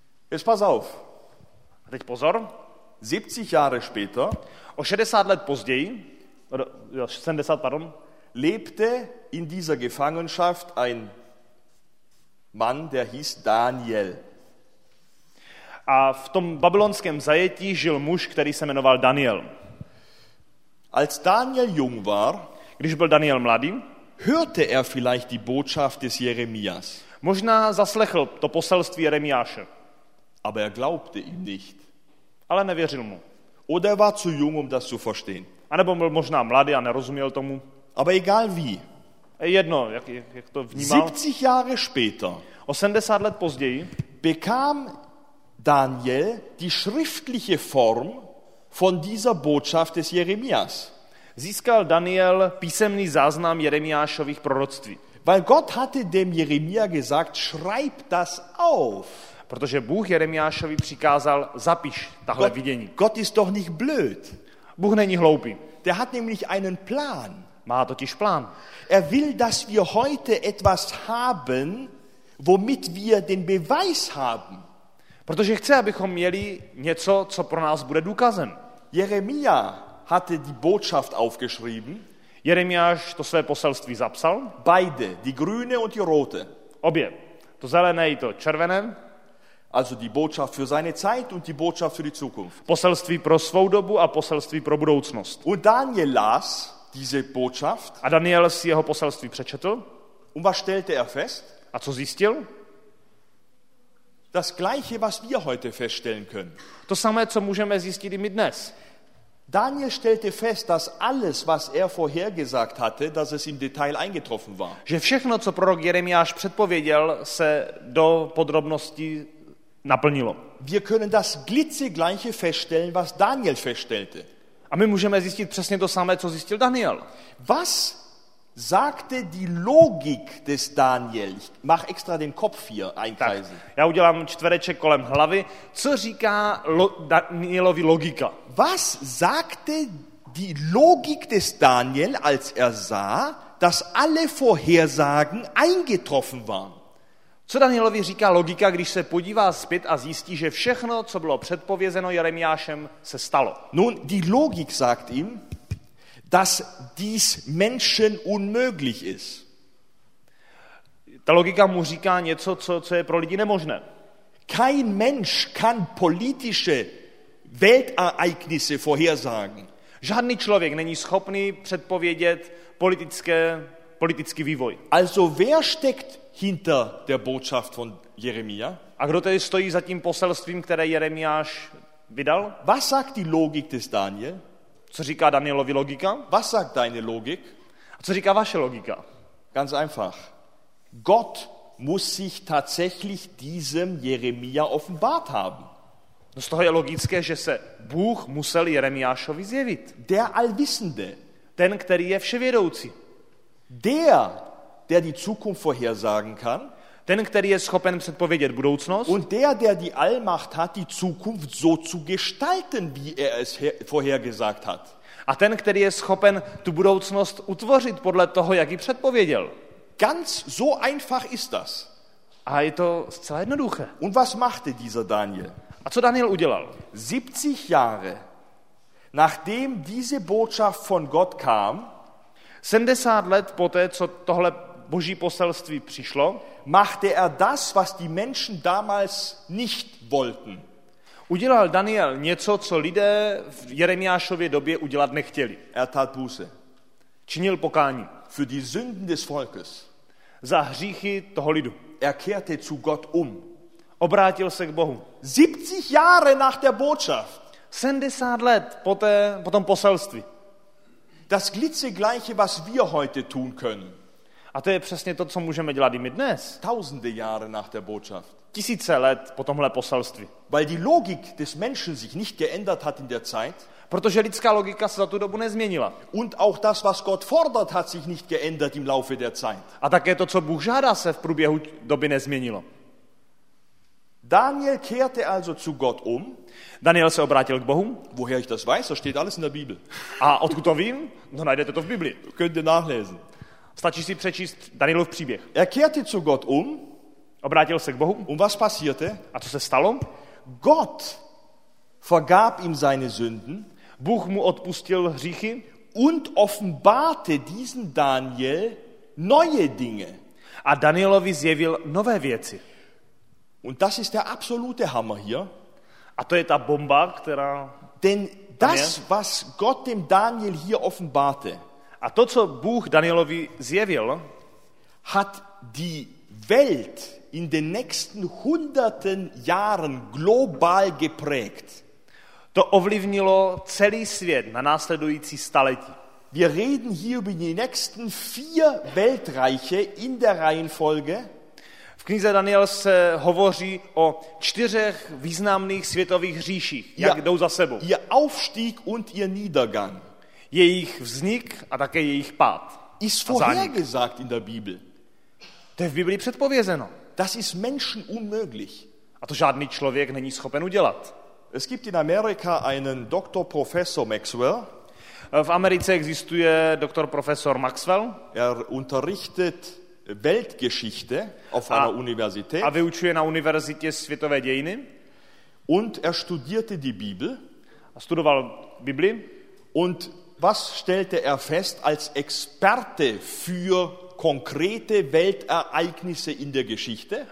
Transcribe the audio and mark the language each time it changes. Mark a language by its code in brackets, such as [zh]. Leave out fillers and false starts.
[de] Jetzt pass auf. [cs] A teď pozor. [de] 70 Jahre später. [cs] O 60 let později. [de] Oder, ja, 70, pardon. Lebte in dieser Gefangenschaft ein Mann, der hieß Daniel. [cs] A v tom babylonském zajetí žil muž, který se jmenoval Daniel. [de] Als Daniel jung war, [cs] když byl Daniel mladý, [de] hörte vielleicht die Botschaft des Jeremias. [cs] Možná zaslechl to poselství Jeremiáše. [de] Aber glaubte ihm nicht. [cs] Ale nevěřil mu. [de] Oder war zu jung, um das zu verstehen. [cs] A nebo byl možná mladý a nerozuměl tomu. [de] Aber egal wie. [cs] Jedno, jak to vnímal. [de] 70 Jahre später. [cs] 80 let později. [de] Bekam Daniel die schriftliche Form von dieser Botschaft des Jeremias. [cs] Získal Daniel písemný záznam Jeremiášových proroctví. [de] Weil Gott hatte dem Jeremia gesagt, schreib das auf. [cs] Protože Bůh Jeremiášovi přikázal, zapiš tahle [de] Gott, [cs] vidění. [de] Gott ist doch nicht blöd. [cs] Bůh není hloupý. [de] Der hat nämlich einen Plan. [cs] Má totiž plán. [de] Will, dass wir heute etwas haben, womit wir den Beweis haben. [cs] Protože chce, abychom měli něco, co pro nás bude důkazem. [de] Jeremia hatte die Botschaft aufgeschrieben. [cs] Jeremiáš to své poselství zapsal. [de] Beide, die grüne und die rote. [cs] Obě. To zelené i to červené. [de] Also die Botschaft für seine Zeit und die Botschaft für die Zukunft. [cs] Poselství pro svou dobu a poselství pro budoucnost. [de] Und Daniel las diese Botschaft. [cs] A Daniel si jeho poselství přečetl. [de] Und was stellte fest? [cs] A co zjistil? [de] Das gleiche, was wir heute feststellen können. [cs] To samé, co můžeme zjistit i my dnes. [de] Daniel stellte fest, dass alles, was vorhergesagt hatte, dass es im Detail eingetroffen war. [cs] Že všechno, co prorok Jeremiáš předpověděl, se do podrobností naplnilo. [de] Wir können das glitzegleiche feststellen, was Daniel feststellte. [cs] A my můžeme zjistit přesně to samé, co zjistil Daniel. [de] Was sagte die Logik des Daniel? Ich mach extra den Kopf hier einkreisen. [cs] Tak, já udělám čtvereček kolem hlavy. Co říká Danielovi logika? [de] Was sagte die Logik des Daniel, als sah, dass alle Vorhersagen eingetroffen waren? [cs] Co Danielovi říká logika, když se podívá zpět a zjistí, že všechno, co bylo předpovězeno Jeremiášem, se stalo? [de] Nun, die Logik sagt ihm, dass dies Menschen unmöglich ist. [cs] Ta logika mu říká něco, co je pro lidi nemožné. [de] Kein Mensch kann politische Weltereignisse vorhersagen. [cs] Žádný člověk není schopný předpovědět politický vývoj. [de] Also wer steckt hinter der Botschaft von Jeremia? [cs] A kdo tedy stojí za tím poselstvím, které Jeremiáš vydal? [de] Was sagt die Logik des Daniel? [cs] Co říká Danielovi logika? [de] Was sagt deine Logik? [cs] A co říká vaše logika? [de] Ganz einfach. Gott muss sich tatsächlich diesem Jeremia offenbart haben. [cs] No z toho je logické, že se Bůh musel Jeremiášovi zjevit. [de] Der Allwissende. [cs] Ten, který je vševědoucí. [de] Der die Zukunft vorhersagen kann. [cs] Ten, který je schopen předpovědět budoucnost. [de] Und der die Allmacht hat, die Zukunft so zu gestalten, wie er es vorhergesagt hat. [cs] A ten, který je schopen tu budoucnost utvořit podle toho, jak ji předpověděl. [de] Ganz so einfach ist das. [cs] A je to zcela jednoduché. [de] Und was machte dieser Daniel? [cs] A co Daniel udělal? [de] 70 Jahre, nachdem diese Botschaft von Gott kam, [cs] 70 let poté, co tohle boží poselství přišlo, [de] machte er das, was die Menschen damals nicht wollten. [cs] Udělal Daniel něco, co lidé v Jeremiášově době udělat nechtěli. [de] Er tat Buße. [cs] Činil pokání. [de] Für die Sünden des Volkes. [cs] Za hříchy toho lidu. [de] Er kehrte zu Gott um. [cs] Obrátil se k Bohu. [de] 70 Jahre nach der Botschaft. [cs] 70 let po tom poselství. [de] Das glitzegleiche, was wir heute tun können. [cs] A to je přesně to, co můžeme dělat i my dnes. [de] Tausende Jahre nach der Botschaft. [cs] Tisíce let po tomhle poselství. [de] Weil die Logik des Menschen sich nicht geändert hat in der Zeit. [cs] Protože lidská logika se za tu dobu nezměnila. [de] Und auch das, was Gott fordert, hat sich nicht geändert im Laufe der Zeit. [cs] A také to, co Bůh žádá, se v průběhu doby nezměnilo. [de] Daniel kehrte also zu Gott um. [cs] Daniel se obrátil k Bohu. [de] Woher ich das weiß, das steht alles in der Bibel. [cs] A odkud to vím? No najdete to v Biblii. [de] Könnt ihr nachlesen. [cs] Stačí si přečíst Danielův příběh. [de] Er kehrte zu Gott um. [cs] Obrátil se k Bohu. [de] Und was passierte? [cs] A co se stalo? [de] Gott vergab ihm seine Sünden. [cs] Bůh mu odpustil hříchy [de] und offenbarte diesen Daniel neue Dinge. [cs] A Danielovi zjevil nové věci. [de] Und das ist der absolute Hammer hier. [cs] A to je ta bomba, která... [de] Denn das, was Gott dem Daniel hier offenbarte, [cs] a to, co Bůh Danielovi zjevil, [de] hat die Welt in den nächsten hunderten Jahren global geprägt. [cs] To ovlivnilo celý svět na následující staletí. [de] Wir reden hier über die nächsten 4 Weltreiche in der Reihenfolge. [cs] V knize Daniel se hovoří o 4 významných světových říších, jak jdou za sebou. [de] Ihr Aufstieg und ihr Niedergang. [cs] Jejich vznik a také jejich pád. [de] Ist vorhergesagt in der Bibel. [cs] To je v Biblii předpovězeno. [de] Das ist Menschen unmöglich. [cs] A to žádný člověk není schopen udělat. [de] Es gibt in Amerika einen Dr. Professor Maxwell. [cs] V Americe existuje Dr. Professor Maxwell. [de] Er unterrichtet Weltgeschichte auf einer Universität. [cs] A vyučuje na univerzitě světové dějiny. [de] Und er studierte die Bibel. [cs] A studoval Bibli. [de] Und was stellte er fest als Experte für konkrete Weltereignisse in der Geschichte?